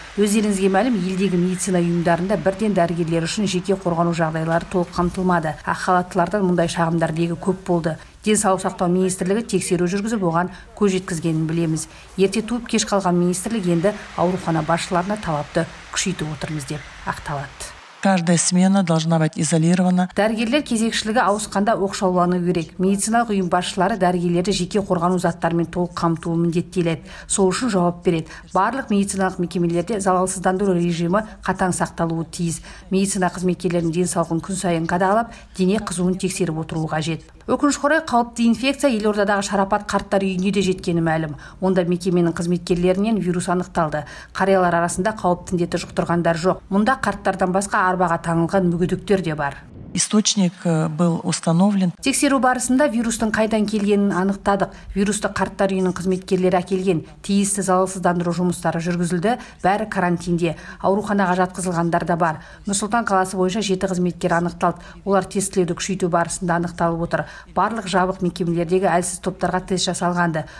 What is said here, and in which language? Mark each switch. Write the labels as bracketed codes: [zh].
[kk] Өз еліңізге мәлім, елдегі медицина ұйымдарында бірден дәрігерлер үшін жеке қорғану жағдайлары толық қамтылмады. Ақ халаттылардан мұндай шағымдар легі көп болды. Денсаулық сақтау министрлігі тексеру жүргізіп оған көз жеткізгенін білеміз. Ерте туып кеш қалған министрлік енді аурухана басшыларына талапты күшейтіп отырмыз деп ақталады. [ru] Каждая смена должна быть изолирована. [kk] Дәрігерлер кезекшілігі ауысқанда оқшаулануы керек. Медициналық ұйым басшылары дәрігерлерді жеке қорғану заттарымен толық қамтуы міндеттеледі. Сол үшін жауап береді. Барлық медициналық мекемелерде залалсыздандыру режимі қатаң сақталуы тиіс. Медицина қызметкерлерінің денсаулығын күн сайын қадағалап, дене қызуын тексеріп отыруы қажет. Өкінішке орай қауіпті инфекция елордадағы Шарапат қарттар үйіне де жеткені мәлім. Онда мекеменің қызметкерлерінен вирус анықталды. Қариялар арасында қауіпті індетті жұқтырғандар жоқ. Мұнда қарттардан басқа арбаға таңылған мүгедектер де бар. [ru] Источник был установлен. [kk] Тексеру барысында вирустың қайдан келгенін анықтадық. Вирусты қарттар үйінің қызметкерлері әкелген. Тиісті залалсыздандыру жұмыстары жүргізілді. Бәрі карантинде. Ауруханаға жатқызылғандар да бар. Нұр-Сұлтан қаласы бойынша 7 қызметкер анықталды. Олар тестілеуді күшейту барысында анықталып отыр. Барлық жабық мекемелердегі әлсіз топтарға тест жасалғанды.